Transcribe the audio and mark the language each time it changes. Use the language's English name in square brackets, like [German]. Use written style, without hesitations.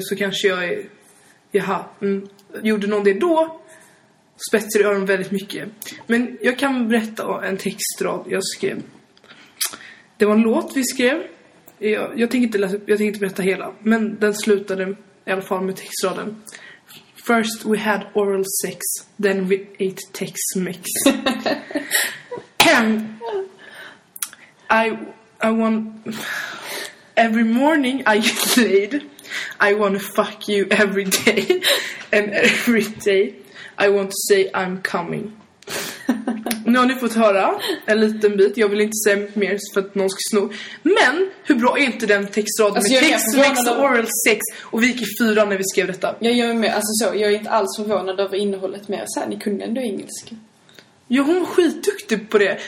[Swedish] Så kanske jag är... Jaha. Mm. Gjorde någon det då? Spetsade öron väldigt mycket. Men jag kan berätta en textrad jag skrev. Det var en låt vi skrev. Jag tänkte inte berätta hela. Men den slutade i alla fall med textraden. [English] First we had oral sex, then we ate Tex-Mex. I want... Every morning I get laid, I want to fuck you every day. And every day I want to say I'm coming. [Swedish] Nu har ni fått höra en liten bit. Jag vill inte säga mer för att någon ska sno. Men hur bra är inte den textraden alltså, med Tex-Mex och oral sex? Och vi gick i fyran när vi skrev detta. Jag är med. Alltså, så, jag är inte alls förvånad av innehållet med så här. Ni kunde ändå engelska. Jo, hon var skitduktig på det.